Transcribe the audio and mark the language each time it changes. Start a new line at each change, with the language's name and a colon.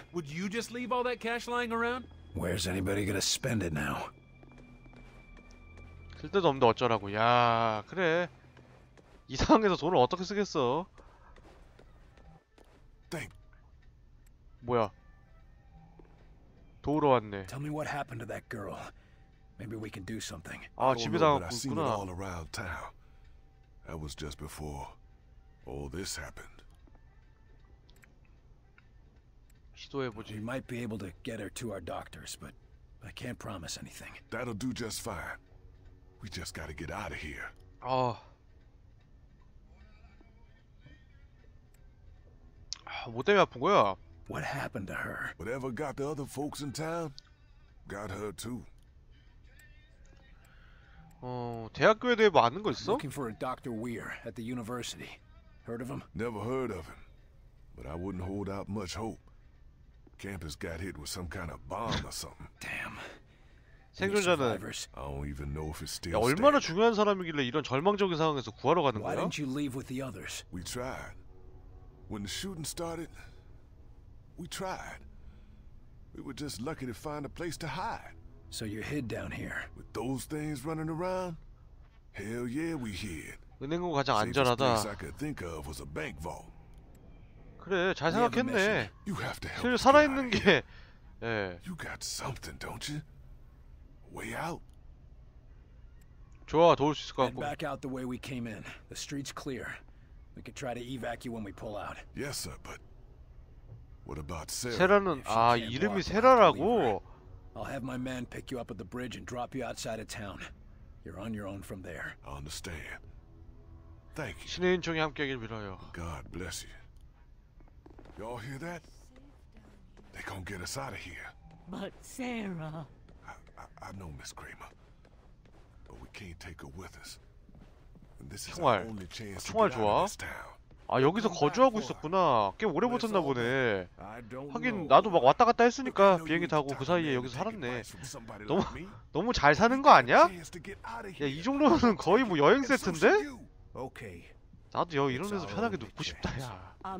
English: Would you just leave all that cash lying around? Where's anybody gonna spend it now?
Korean: 쓸데도 없는데 어쩌라고. 야, 그래. 이 상황에서 돈을 어떻게 쓰겠어? 땡. 뭐야? 도우러 왔네.
English: Tell me what happened to that girl. Maybe we can do something. 아, 집에 당했구나. That was just before all this happened.
Korean: 시도해보지.
English: We might be able to get her to our doctors, but I can't promise anything. That'll do just fine. We just gotta get out of here. 아.
Korean: 아, 뭐 때문에 아픈 거야? What happened to her?
English: Whatever got the other folks in town got her too.
Korean: 어, 대학교에 대해 뭐 아는 거 있어?
English: Looking for a Dr. Weir at the university. Heard of him? Never heard of him. But I wouldn't hold out much hope. Campus got hit with some kind of bomb or something. Damn. 생존자는 I don't even know if it's still 야, 얼마나 중요한 사람이길래 이런 절망적인 상황에서 구하러 가는 거야? Why didn't you leave with the others? We tried. When the shooting started, we tried. We were just lucky to find a place to hide. So you hid down here. With those things running around? Hell yeah, we hid.
Korean: 은행고 가장 안전하다.
English: Safest place I could think of was a bank vault.
Korean: 그래, 잘 생각했네. 실 살아있는 게. 예.
English: You got something, don't you? Way out.
Korean: 좋아, 도울 수 있을 것 같고.
English: Back out the way we came in. The street's clear. We could try to evacuate when we pull out. Yes, sir, but what about Sarah?
Korean: 세라는 아 이름이 세라라고.
English: I'll have my man pick you up at the bridge and drop you outside of town. You're on your own from there. I understand. Thank you.
Korean: 신의 인총이 함께하길 빌어요.
English: God bless you. Y'all hear that? They gonna get us out of here. But Sarah. I know Miss Kramer, but we can't take her with us. And this is our only chance to get out of this town.
Korean: 아, 여기서 거주하고 있었구나. 꽤 오래 버텼나 보네. 하긴 나도 막 왔다 갔다 했으니까 비행기 타고 그 사이에 여기서 살았네. 너무 잘 사는 거 아니야? 야, 이 정도는 거의 뭐 여행 세트인데? 나도 여기 이런 데서 편하게 눕고 싶다, 야.